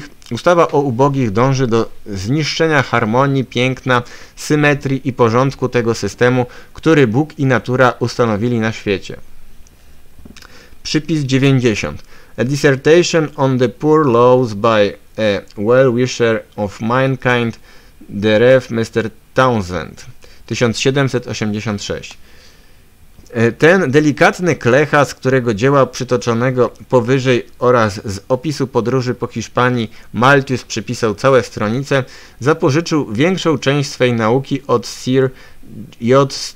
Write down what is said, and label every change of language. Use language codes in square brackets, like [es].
[pl] Ustawa o ubogich dąży do zniszczenia harmonii, piękna, symetrii i porządku tego systemu, który Bóg i natura ustanowili na świecie. Przypis 90. [en] A dissertation on the poor laws by a well-wisher of mankind, the Rev. Mr. Townsend, 1786. [pl] Ten delikatny klecha, z którego dzieła przytoczonego powyżej oraz z opisu podróży po Hiszpanii Malthus przypisał całe stronice, zapożyczył większą część swej nauki od Sir J.